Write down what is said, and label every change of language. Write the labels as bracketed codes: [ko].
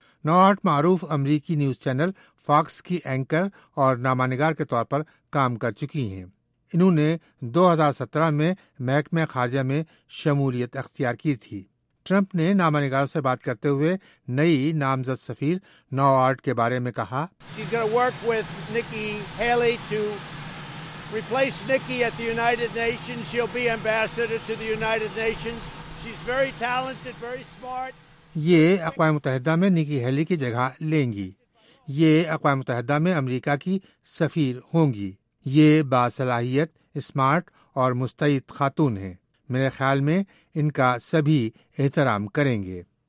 [ur] نوارٹ معروف امریکی news channel Fox کی اینکر اور نامہ نگار کے طور پر کام کر چکی ہیں. انہوں نے 2017 میں محکمہ خارجہ میں شمولیت اختیار کی تھی. ٹرمپ نے نامہ نگاروں سے بات کرتے ہوئے نئی نامزد سفیر نوارٹ کے بارے میں کہا [en] She's gonna work with Nikki Haley to replace Nikki at the United Nations. She'll be ambassador to the United Nations. She's very talented, very smart. [ur] یہ اقوام متحدہ میں نکی ہیلی کی جگہ لیں گی. یہ اقوام متحدہ میں امریکہ کی سفیر ہوں گی. یہ باصلاحیت اسمارٹ اور مستعد خاتون ہیں. میرے خیال میں ان کا سبھی احترام کریں گے.